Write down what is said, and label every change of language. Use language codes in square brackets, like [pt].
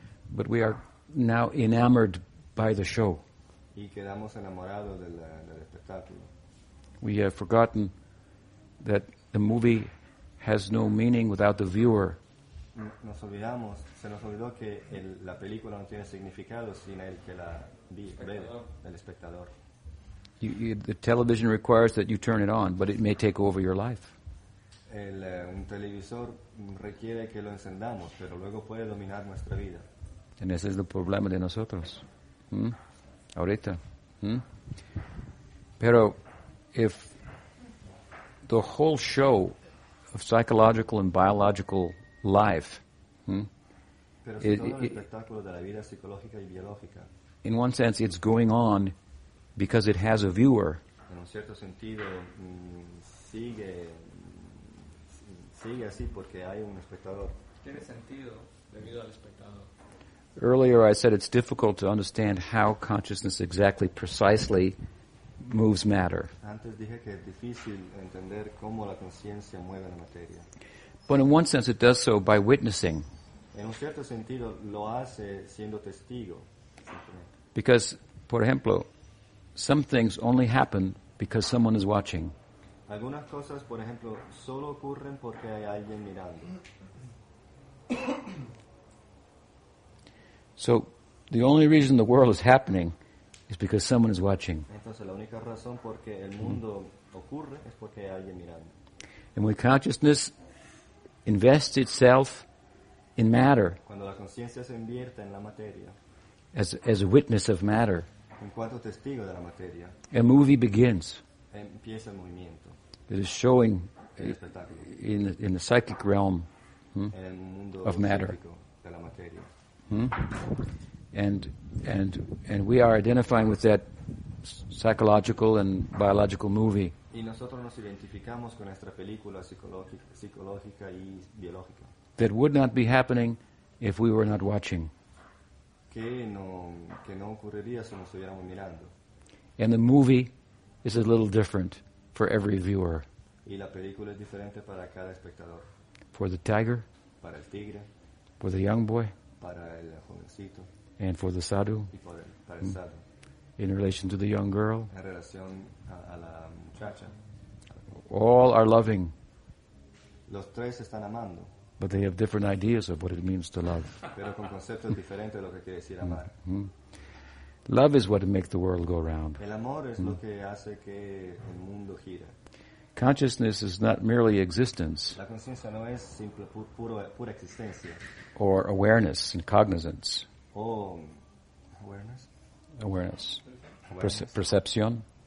[en] But we are now enamored by the show. [es] Y quedamos enamorados del espectáculo. [en] We have forgotten that the movie has no meaning without the viewer. [es] Nos olvidamos, se nos olvidó que la película no tiene significado sin el que la ve, el espectador. [en] The television requires that you turn it on, but it may take over your life. [es] Un televisor requiere que lo encendamos, pero luego puede dominar nuestra vida. Y ese es el problema de nosotros. Ahorita. [en] Pero if the whole show of psychological and biological life, [es] pero si todo el espectáculo de la vida psicológica y biológica, [en] in one sense it's going on because it has a viewer. [es] En un cierto sentido sigue así porque hay un espectador. Tiene sentido debido al espectador. [en] Earlier I said it's difficult to understand how consciousness exactly, precisely moves matter. [es] Antes dije que es difícil entender cómo la conciencia mueve la materia. [en] But in one sense it does so by witnessing. [es] En un cierto sentido lo hace siendo testigo. [en] Because, [es] por ejemplo, [en] some things only happen because someone is watching. [es] Algunas cosas, por ejemplo, solo ocurren porque hay alguien mirando. [en] So the only reason the world is happening is because someone is watching. [es] Entonces, la única razón porque el mundo ocurre es porque hay alguien mirando. [en] And when consciousness invests itself in matter, [es] cuando la conciencia se invierte en la materia, [en] as a witness of matter, [es] en cuanto testigo de la materia, [en] a movie begins. [es] Empieza el movimiento. [en] It is showing [es] el espectáculo. [en] In the psychic realm [es] en el mundo [en] of matter. [es] De la materia. [en] And we are identifying with that psychological and biological movie. [es] Y nosotros nos identificamos con nuestra película psicológica y biológica. [en] That would not be happening if we were not watching. [es] Que no ocurriría si nos estuviéramos mirando. [en] And the movie is a little different for every viewer. [es] Y la película es diferente para cada espectador. [en] For the tiger. [es] Para el tigre. [en] For the young boy. [es] Para el jovencito. [en] And for the sadhu. [es] Y por el, para el sadhu. [en] In relation to the young girl. [es] En relación a la muchacha. [en] All are loving. [es] Los tres están amando. [en] But they have different ideas of what it means to love. [es] Pero con conceptos diferentes de lo que quiere decir amar. Mm-hmm. [en] Love is what makes the world go round. [es] El amor es lo que hace que el mundo gira. [en] Consciousness is not merely existence. [es] La conciencia no es simple, pura existencia. [en] Or awareness and cognizance. Oh, awareness? Awareness. Perception.